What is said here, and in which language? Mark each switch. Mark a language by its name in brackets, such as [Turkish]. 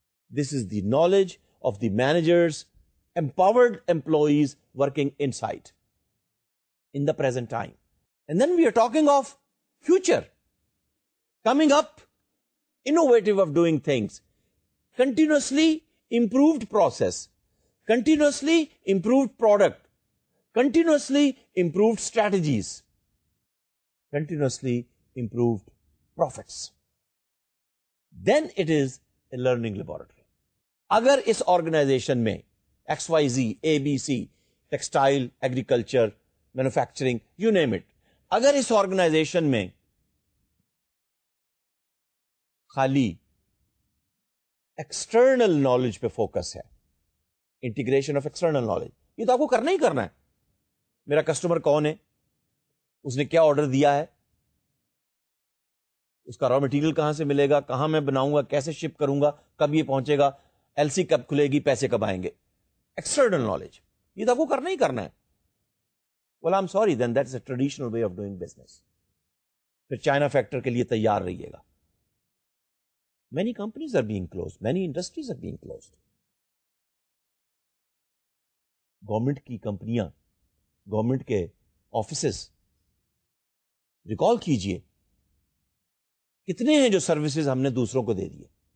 [English] This is the knowledge of the managers, empowered employees working inside in the present time. And then we are talking of future, coming up, innovative of doing things, continuously improved process, continuously improved product, continuously improved strategies, continuously improved profits, then it is a learning laboratory. [Urdu] اگر اس organization میں x Y Zee, a B C, textile, agriculture, manufacturing, [English] you name it, [Urdu] اگر اس organization میں خالی external knowledge پہ focus ہے، integration of external knowledge, یہ تو آپ کو کرنا ہی کرنا ہے. میرا کسٹمر کون ہے، اس نے کیا آرڈر دیا ہے، اس کا را مٹیریل کہاں سے ملے گا، کہاں میں بناؤں گا، کیسے شپ کروں گا، کب یہ پہنچے گا، ایل سی کب کھلے گی، پیسے کب آئیں گے، ایکسٹرنل نالج، یہ تو آپ کو کرنا ہی کرنا ہے. [English] Well, I'm sorry, then that's a traditional way of doing business. [Urdu] پھر چائنا فیکٹر کے لیے تیار رہیے گا. [English] Many companies are being closed. Many industries are being closed. [Urdu] Government کی کمپنیاں، government کے offices recall کیجئے، کتنے ہیں جو services ہم نے دوسروں کو دے دیے.